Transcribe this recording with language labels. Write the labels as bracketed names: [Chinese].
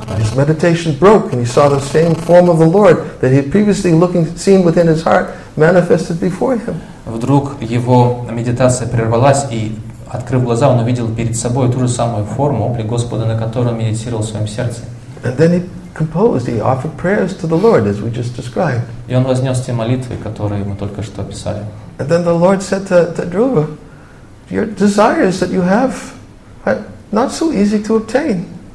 [English] His meditation broke, and he saw the same form of the Lord that he had previously looking, seen within his heart manifested before him. [Russian] Вдруг его медитация прервалась, и открыв глаза, он увидел перед собой ту же самую форму, облик Господа, на котором медитировал в своем сердце. [English] And then he composed, he offered prayers to the Lord, as we just described. [Russian] И он вознес те молитвы, которые мы только что описали. [English] And then the Lord said to Dhruva, your desires that you have are not so easy to obtain.